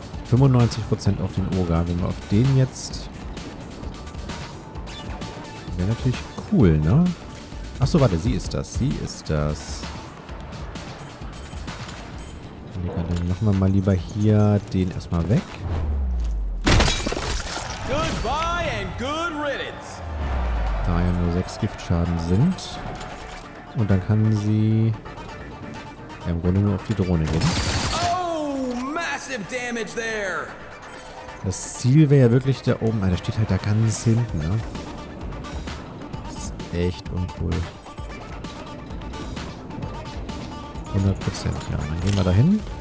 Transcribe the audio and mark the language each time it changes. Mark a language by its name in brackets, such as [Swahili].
[German] 95% auf den Ogre. Wenn wir auf den jetzt. Wäre natürlich cool, ne? Achso, warte, sie ist das. Sie ist das. Ja, dann machen wir mal lieber hier den erstmal weg. [English] Goodbye and good riddance. [German] Da ja nur 6 Giftschaden sind. Und dann kann sie ja im Grunde nur auf die Drohne gehen. [English] Oh, massive damage there. [German] Das Ziel wäre ja wirklich da oben. Ah, der steht halt da ganz hinten, ne? Echt uncool. 100%, ja. Dann gehen wir da hin.